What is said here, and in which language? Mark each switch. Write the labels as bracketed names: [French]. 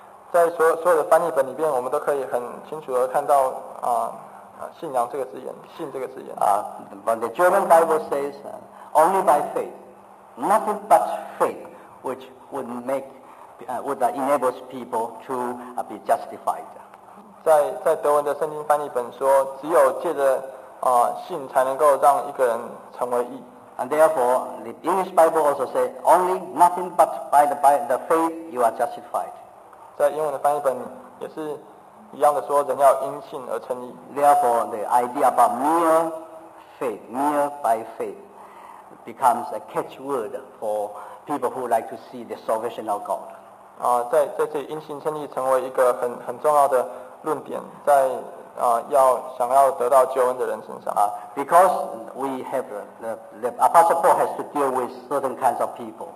[Chinese] 在所有的翻译本里边，我们都可以很清楚地看到信仰这个字眼，信这个字眼。 [English] But the German Bible says, only by faith, nothing but faith, which would make would enable people to be justified. [Chinese] 在德文的圣经翻译本说，只有借着信才能够让一个人成为义。 [English] And therefore, the English Bible also say, only nothing but by the faith you are justified. [Chinese] 在英文的翻译本也是一样的说，人要因信而称义。 [English] Therefore, the idea about mere faith, mere by faith, becomes a catchword for people who like to see the salvation of God. [Chinese] 在这里因信称义成为一个很重要的论点，在要想要得到救恩的人身上。 [English] Because we have the Apostle Paul has to deal with certain kinds of people.